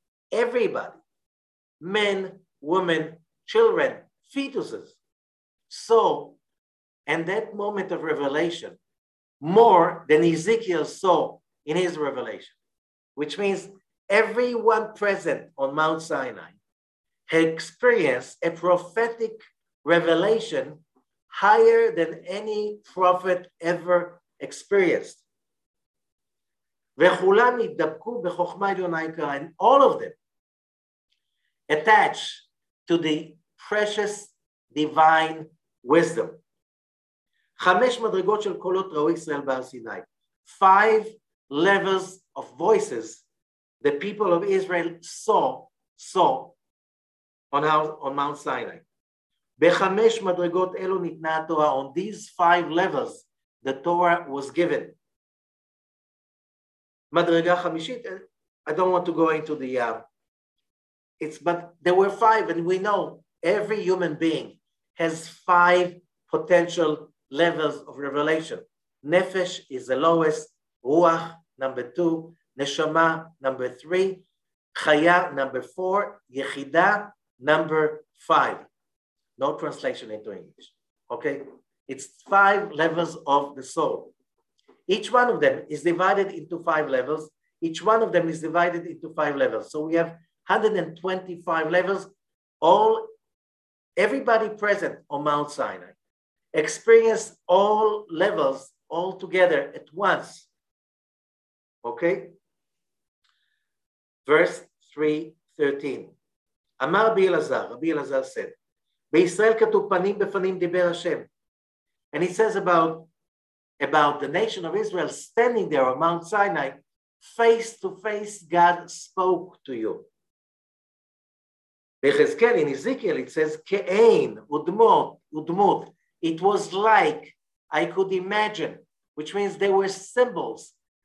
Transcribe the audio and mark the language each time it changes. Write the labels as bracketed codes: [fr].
[en] everybody, men, women, children, fetuses, saw in that moment of revelation more than Ezekiel saw in his revelation, which means everyone present on Mount Sinai had experienced a prophetic revelation higher than any prophet ever experienced. [he] V'chulam yidabku b'chokhma elyona yikara, [en] and all of them attached to the precious divine wisdom. [he] חמש מדרגות של קולות ראו ישראל בהר סיני. [en] Five levels of voices the people of Israel saw on Mount Sinai. [he] בחמש מדרגות אלו ניתנה התורה. [en] On these five levels, the Torah was given. [he] מדרגה חמישית, [en] I don't want to go into the... but there were five, and we know every human being has five potential levels of revelation. Nefesh is the lowest, Ruach, number two, Neshama, number three, Chaya, number four, Yechida, number five. No translation into English, okay? It's five levels of the soul. Each one of them is divided into five levels. Each one of them is divided into five levels. So we have 125 levels. Everybody present on Mount Sinai experienced all levels all together at once. Okay? Verse 3:13. [he] Amar Rabbi Elazar [en] said, [he] בישראל כתוב פנים בפנים דיבר השם. [en] And he says about the nation of Israel standing there on Mount Sinai, face to face God spoke to you. בחזקאל, in Ezekiel, it says, [he] כאין, ודמות, [en] it was like I could imagine, which means they were symbols.